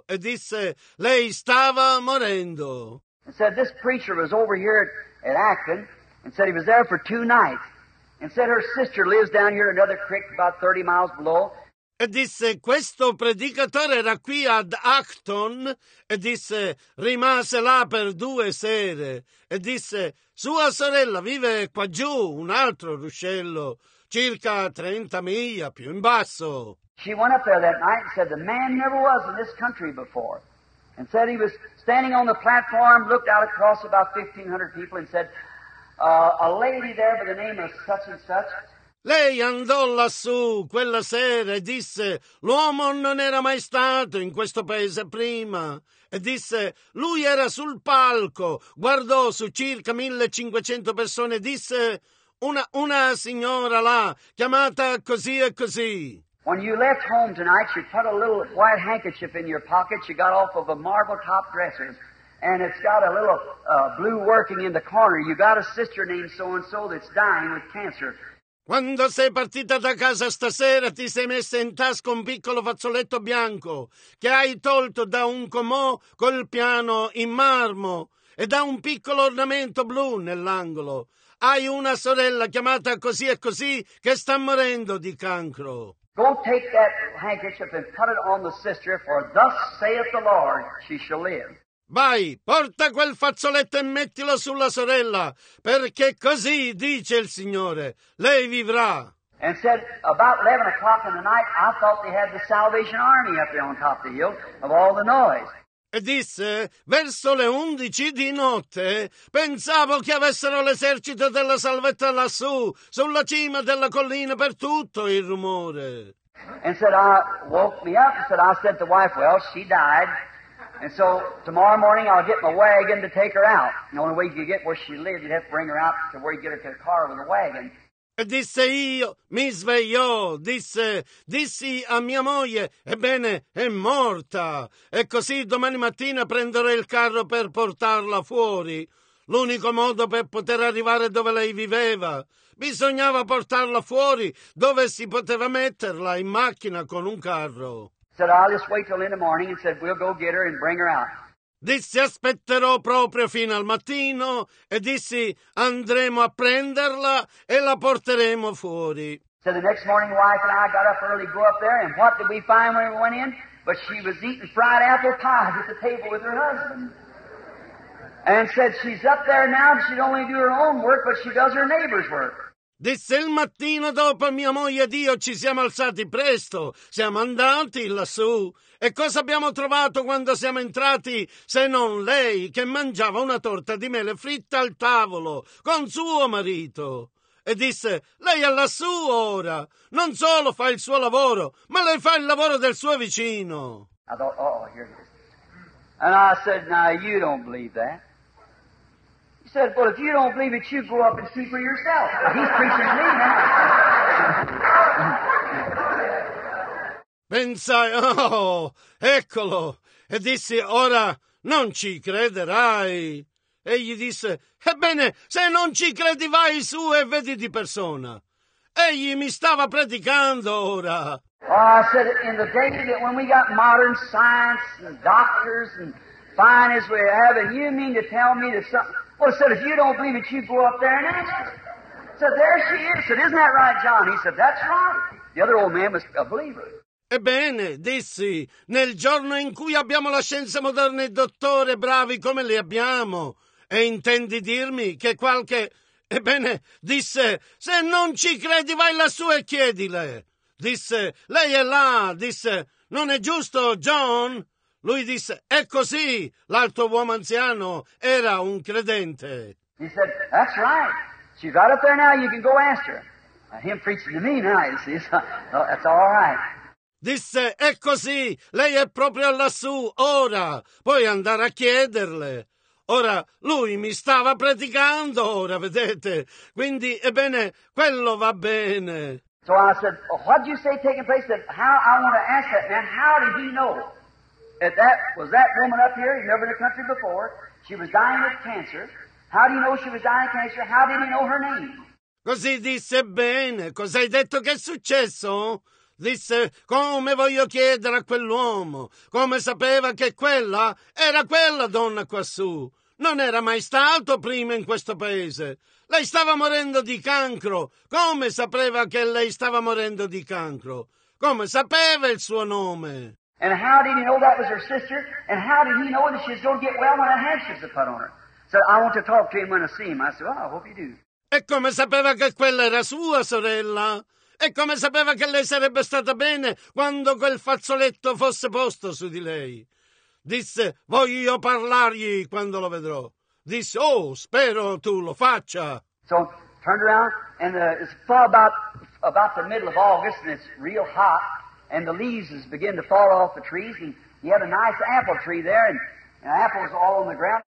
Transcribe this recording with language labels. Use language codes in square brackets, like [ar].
[it] E disse, lei stava morendo. [en] And said, this preacher was over here at Akron and said he was there for two nights. And said her sister lives down here in another creek about 30 miles below. [it] E disse, questo predicatore era qui ad Acton, e disse, rimase là per due sere. E disse, sua sorella vive qua giù, un altro ruscello, circa 30 miglia più in basso. [en] She went up there that night and said, the man never was in this country before. And said he was standing on the platform, looked out across about 1,500 people and said, a lady there by the name of such and such. [it] Lei andò lassù quella sera e disse, l'uomo non era mai stato in questo paese prima. E disse, lui era sul palco, guardò su circa 1,500 persone e disse, una signora là, chiamata così e così. [en] When you left home tonight, you put a little white handkerchief in your pocket, you got off of a marble top dresser, and it's got a little blue working in the corner. You got a sister named so-and-so that's dying with cancer. [it] Quando sei partita da casa stasera ti sei messa in tasca un piccolo fazzoletto bianco che hai tolto da un comò col piano in marmo e da un piccolo ornamento blu nell'angolo. Hai una sorella chiamata così e così che sta morendo di cancro. [en] Go take that handkerchief and put it on the sister, for thus saith the Lord, she shall live. [it] Vai, porta quel fazzoletto e mettilo sulla sorella, perché così dice il Signore, lei vivrà. [en] And said, about 11 o'clock in the night, I thought they had the Salvation Army up there on top of the hill, of all the noise. [it] E disse, verso le 11 di notte, pensavo che avessero l'esercito della salvezza lassù, sulla cima della collina, per tutto il rumore. [en] And said, I woke me up and said, I said to the wife, well, she died. And so tomorrow morning I'll get my wagon to take her out. The only way you could get where she lived, you'd have to bring her out to where you get her to the car with the wagon. [it] E disse io, mi svegliò, dissi a mia moglie, ebbene, è morta. E così domani mattina prenderò il carro per portarla fuori. L'unico modo per poter arrivare dove lei viveva. Bisognava portarla fuori, dove si poteva metterla in macchina con un carro. [en] Said, I'll just wait till in the morning and said, we'll go get her and bring her out. [it] Dissi, aspetterò proprio fino al mattino e dissi, andremo a prenderla e la porteremo fuori. [en] So the next morning, wife and I got up early, go up there, and what did we find when we went in? But she was eating fried apple pies at the table with her husband. And said, she's up there now, she'd only do her own work, but she does her neighbor's work. [it] Disse il mattino dopo mia moglie ed io ci siamo alzati presto, siamo andati lassù. E cosa abbiamo trovato quando siamo entrati se non lei che mangiava una torta di mele fritta al tavolo con suo marito? E disse, lei è lassù ora, non solo fa il suo lavoro, ma lei fa il lavoro del suo vicino. [en] I thought, oh, here it is. And I said, now you don't believe that. Said, well, if you don't believe it, you go up and see for yourself. He's preaching to me now. [it] Pensai, oh, eccolo. E dissi, ora non ci crederai. Egli disse, ebbene, se non ci credi, vai su e vedi di persona. Egli mi stava predicando ora. [en] Well, I said, in the day that when we got modern science and doctors and fine as we have, and you mean to tell me that something... Well, I said, if you don't believe it, you go up there and ask her. I said, said, there she is. I said, isn't that right, John? He said, that's right. The other old man was a believer. [it] Ebbene, dissi, nel giorno in cui abbiamo la scienza moderna e dottore bravi come li abbiamo, e intendi dirmi che qualche... Ebbene, disse, se non ci credi vai lassù e chiedile. Disse, lei è là, disse, non è giusto, John? Lui disse, è così, l'altro uomo anziano era un credente. [en] He said, that's right, she's right up there now, you can go ask her. Him preaching to me now, you see, so, that's all right. [it] Disse, è così, lei è proprio lassù, ora, puoi andare a chiederle. Ora, lui mi stava predicando, ora, vedete, quindi, ebbene, quello va bene. [en] So I said, oh, what did you say taking place? That how I want to ask that man, how did he know? That was that woman up here, he'd never in the country before, she was dying of cancer. How do you know she was dying of cancer? How did he know her name? [it] Così disse, bene, cos'hai detto che è successo? Disse, come voglio chiedere a quell'uomo, come sapeva che quella era quella donna quassù. Non era mai stato prima in questo paese. Lei stava morendo di cancro. Come sapeva che lei stava morendo di cancro? Come sapeva il suo nome? [en] And how did he know that was her sister? And how did he know that she's going to get well when a handkerchief is put on her? So I want to talk to him when I see him. I said, well, I hope you do. [it] E come sapeva che quella era sua sorella? E come sapeva che lei sarebbe stata bene quando quel fazzoletto fosse posto su di lei? Disse, voglio parlargli quando lo vedrò. Disse, oh, spero tu lo faccia. [en] So, turned around, and it's about the middle of August, and it's real hot, and the leaves begin to fall off the trees, and he had a nice apple tree there, and apples all on the ground.